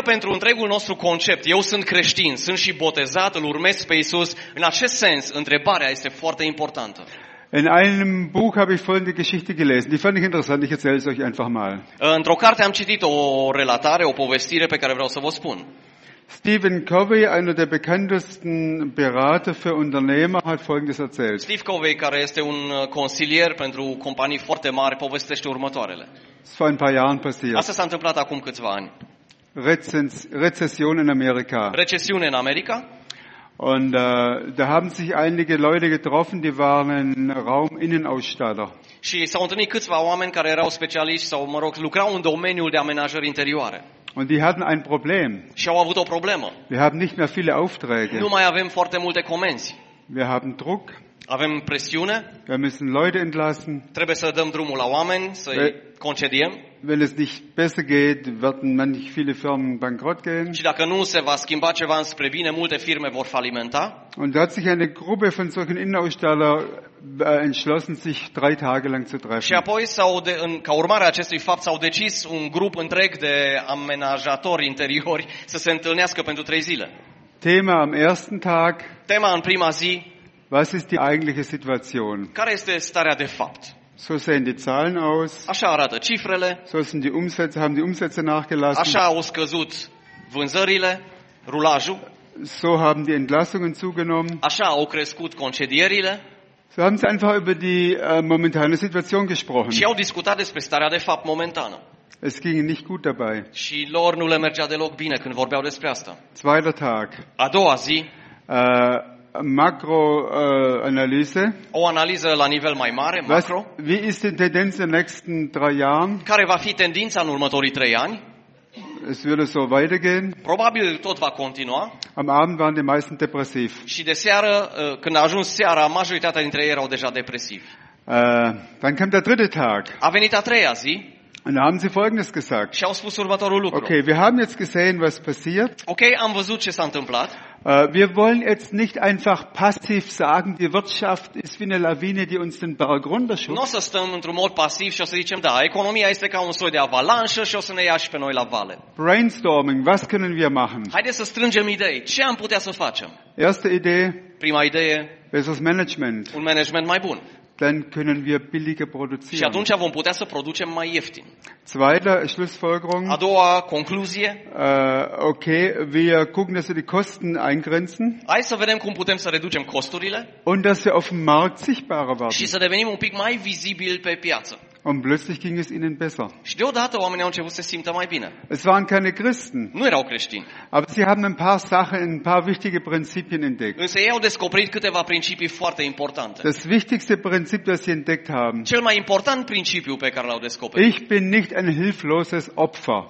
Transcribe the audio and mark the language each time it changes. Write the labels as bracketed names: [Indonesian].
[Romanian] Cred că pentru întregul nostru concept, eu sunt creștin, sunt și botezat, îl urmez pe Isus, în acest sens, întrebarea este foarte importantă. [German] In einem Buch habe ich folgende Geschichte gelesen. Die fand ich interessant. Ich erzähle es euch einfach mal. [Romanian] Într-o carte am citit o relatare, o povestire pe care vreau să vă spun. [German] Stephen Covey, einer der bekanntesten Berater für Unternehmer, hat folgendes erzählt. [Romanian] Steve Covey, care este un consilier pentru companii foarte mari, povestește următoarele. [German] Es war ein paar Jahren passiert. [Romanian] Asta s-a întâmplat acum câțiva ani. [German] Rezession in America. [Romanian] Recesiune în America. [German] Und da haben sich einige Leute getroffen, die waren ein Rauminnenausstatter. [Romanian] Și s-au întâlnit câțiva oameni care erau specialiști sau, mă rog, lucrau în domeniul de amenajări interioare. [German] Und die hatten ein Problem. [Romanian] Și au avut o problemă. [German] Wir haben nicht mehr viele Aufträge. [Romanian] Nu mai avem foarte multe comenzi. [German] Wir haben Druck. [Romanian] Avem presiune. [German] Wir müssen Leute entlassen. [Romanian] Trebuie să dăm drumul la oameni, să-i concediem. [German] Wenn es nicht besser geht, werden manch viele Firmen bankrott gehen. [Romanian] Și dacă nu se va schimba ceva înspre bine, multe firme vor falimenta. [German] Und da hat sich eine Gruppe von solchen Innenausstaller entschlossen, sich 3 Tage lang zu treffen. [Romanian] Și apoi, ca urmare a acestui fapt, s-au decis un grup întreg de amenajatori interiori să se întâlnească pentru 3 zile. [German] Thema am ersten Tag. [Romanian] Tema în prima zi. [German] Was ist die eigentliche Situation? [Romanian] Care este starea de fapt? [German] So sehen die Zahlen aus. [Romanian] Așa arată cifrele. [German] So sind die Umsätze, haben die Umsätze nachgelassen. [Romanian] Așa au scăzut vânzările, rulajul. [German] So haben die Entlassungen zugenommen. [Romanian] Așa au crescut concedierile. [German] So haben sie einfach über die momentane Situation gesprochen. [Romanian] Și au discutat despre starea de fapt momentană. [German] Es ging nicht gut dabei. [Romanian] Și lor nu le mergea deloc bine când vorbeau despre asta. [German] Zweiter Tag. [Romanian] A doua zi. [German] Makroanalyse. [Romanian] O analiză la nivel mai mare, macro. [German] Wie ist die Tendenz in den nächsten 3 Jahren? [Romanian] Care va fi tendința în următorii 3 ani? [German] Es würde so weitergehen. [Romanian] Probabil tot va continua. [German] Am Abend waren die meisten depressiv. [Romanian] Și de seară, când a ajuns seara, majoritatea dintre ei erau deja depresivi. [German] Dann kam der dritte Tag. [Romanian] A venit a treia zi. [German] Und da haben sie Folgendes gesagt. [Romanian] Și au spus următorul lucru. [German] Okay, wir haben jetzt gesehen, was passiert. [Romanian] Okay, am văzut ce s-a întâmplat. [German] Wir wollen jetzt nicht einfach passiv sagen, die Wirtschaft ist wie eine Lawine, die uns den Berg runterschubst. [Romanian] Nu o să stăm într-un mod pasiv și o să zicem, da, economia este ca un soi de avalanșă și o să ne ia și pe noi la vale. [German] Brainstorming, was können wir machen? [Romanian] Haideți să strângem idei. Ce am putea să facem? [German] Erste Idee. [Romanian] Prima idee. [German] Besseres Management. [Romanian] Un management mai bun. [German] Dann können wir billiger produzieren. [Romanian] Și atunci vom putea să producem mai ieftin. [German] Zweite Schlussfolgerung. [Romanian] A doua concluzie. [German] Okay, wir gucken, dass wir die Kosten eingrenzen. [Romanian] Hai să vedem cum putem să reducem costurile. [German] Und dass wir auf dem Markt sichtbarer werden. [Romanian] Și să devenim un pic mai vizibil pe piață. [German] Und plötzlich ging es ihnen besser. [Romanian] Și deodată oamenii au început să simtă mai bine. [German] Es waren keine Christen. [Romanian] Nu erau creștini. [German] Aber sie haben ein paar Sachen, ein paar wichtige Prinzipien entdeckt. [Romanian] Însă ei au descoperit câteva principii foarte importante. [German] Das wichtigste Prinzip, das sie entdeckt haben. [Romanian] Cel mai important principiu pe care l-au descoperit. [German] Ich bin nicht ein hilfloses Opfer.